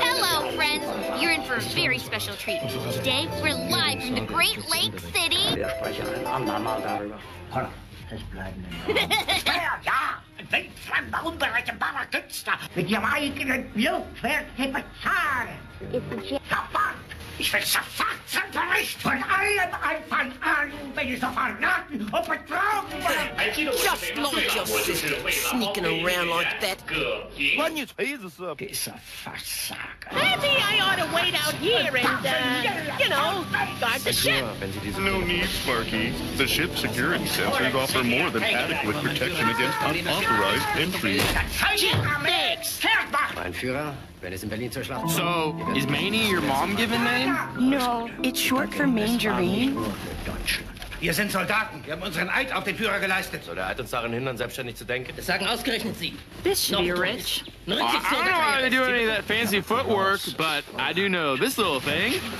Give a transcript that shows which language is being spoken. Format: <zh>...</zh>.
<en>Hello, friends. You're in for a very special treat. Today, we're live from the Great Lake City.</en> <de>Ich will sofort zum Bericht von allem Anfang an, wenn ich so verraten und betrogen werde.</de> <en>Just like your sister, sneaking around like that. Run your tasers up. It's a Fassager. Maybe I ought to wait out here and, guard the ship. No need, Sparky. The ship security sensors offer more than adequate protection against unauthorized entry.</en> <de>Mein Führer.</de> <en>So, is Manny your mom given name? No, it's short for Mangerine.</en> <de>Wir sind Soldaten. Wir haben unseren Eid auf den Führer geleistet. Soll der Eid uns darin hindern, selbstständig zu denken? Das sagen ausgerechnet Sie.</de> <en>This should be rich. I don't know how to do any of that fancy footwork, but I do know this little thing.</en>